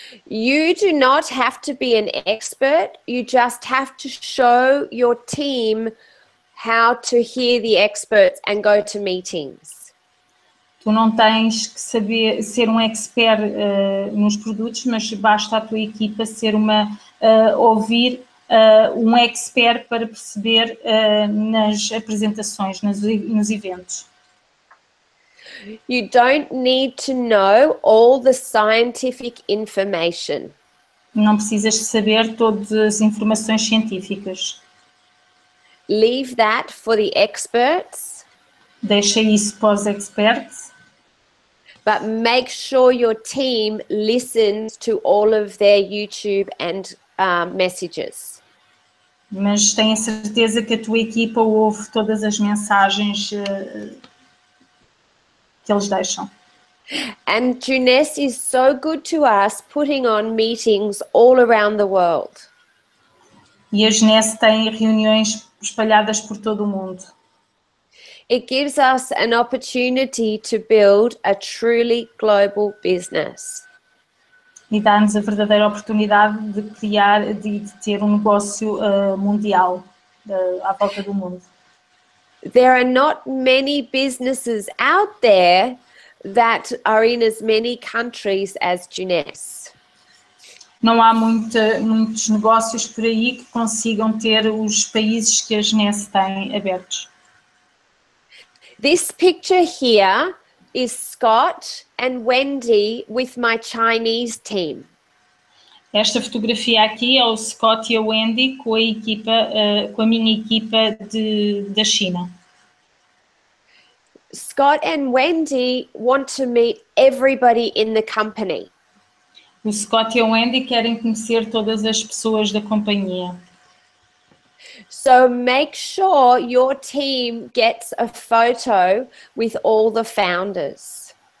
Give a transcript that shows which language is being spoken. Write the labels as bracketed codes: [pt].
[en] You do not have to be an expert, you just have to show your team how to hear the experts and go to meetings. [pt] Tu não tens que saber ser um expert nos produtos, mas basta a tua equipa ser uma ouvir um expert para perceber nas apresentações, nos eventos. [en] You don't need to know all the scientific information. [pt] Não precisas saber todas as informações científicas. [en] Leave that for the experts. [pt] Deixa isso para os experts. [en] But make sure your team listens to all of their YouTube and messages. [pt] Mas tenha certeza que a tua equipa ouve todas as mensagens que eles deixam. [en] And GNSS is so good to us putting on meetings all around the world. [pt] E a GNSS tem reuniões espalhadas por todo o mundo. [en] It gives us an opportunity to build a truly global business. [pt] E dá-nos a verdadeira oportunidade de criar, de ter um negócio mundial à volta do mundo. [en] There are not many businesses out there that are in as many countries as GNSS. [pt] Não há muitos negócios por aí que consigam ter os países que a GNSS tem abertos. [en] This picture here is Scott and Wendy with my Chinese team. [pt] Esta fotografia aqui é o Scott e a Wendy com a equipa, com a minha equipa da China. [en] Scott and Wendy want to meet everybody in the company. [pt] O Scott e a Wendy querem conhecer todas as pessoas da companhia. [en] So make sure your team gets a photo with all the founders.